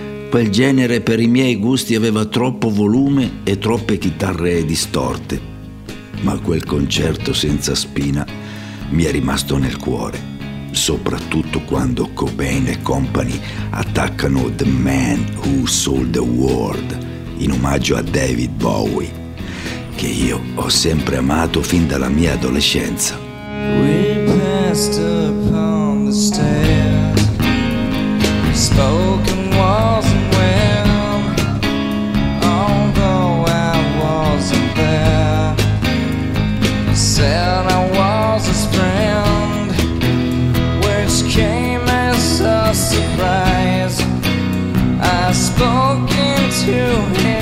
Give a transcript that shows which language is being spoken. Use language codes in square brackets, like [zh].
[it] Quel genere per i miei gusti aveva troppo volume e troppe chitarre distorte, ma quel concerto senza spina mi è rimasto nel cuore, soprattutto quando Cobain e Company attaccano The Man Who Sold the World in omaggio a David Bowie, che io ho sempre amato fin dalla mia adolescenza. [en] We passed upon the stair, spoken walls and well, although I wasn't there, said I was his friend, which came as a surprise. I spoke into